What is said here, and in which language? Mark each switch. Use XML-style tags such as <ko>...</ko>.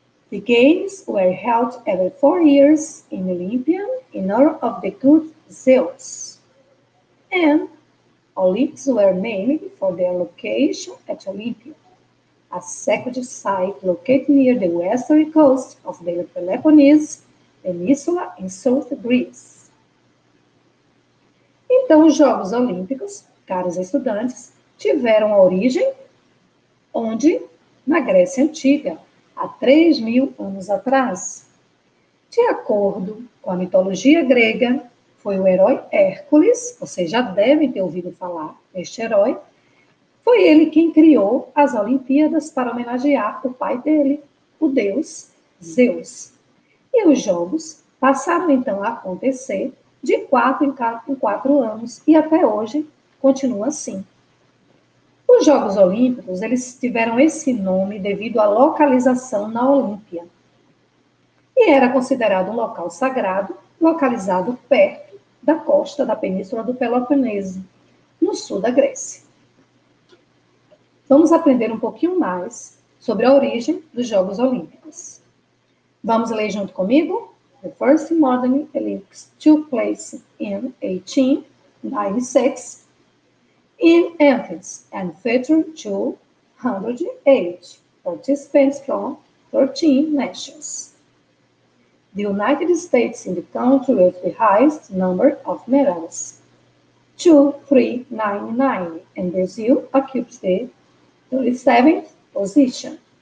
<en>The Games were held every 4 years in Olympia in honor of the god Zeus. And Olympics were named for their location at Olympia, a sacred site located near the western coast of the Peloponnese Peninsula in South Greece.</en> <pt>Então, os Jogos Olímpicos, caros estudantes, tiveram origem onde? Na Grécia Antiga, há 3 mil anos atrás. De acordo com a mitologia grega, foi o herói Hércules, vocês já devem ter ouvido falar deste herói. Foi ele quem criou as Olimpíadas para homenagear o pai dele, o deus Zeus. E os jogos passaram então a acontecer de 4 em 4 anos e até hoje continua assim. Os Jogos Olímpicos, eles tiveram esse nome devido à localização na Olímpia. E era considerado um local sagrado, localizado perto da costa da Península do Peloponeso, no sul da Grécia. Vamos aprender um pouquinho mais sobre a origem dos Jogos Olímpicos. Vamos ler junto comigo?</pt> <en>The first modern Olympics took place in 1896 in Athens and featured 208 participants from 13 nations. The United States is the country with the highest number of medals, 2,399, and Brazil occupies the 37th position.</en>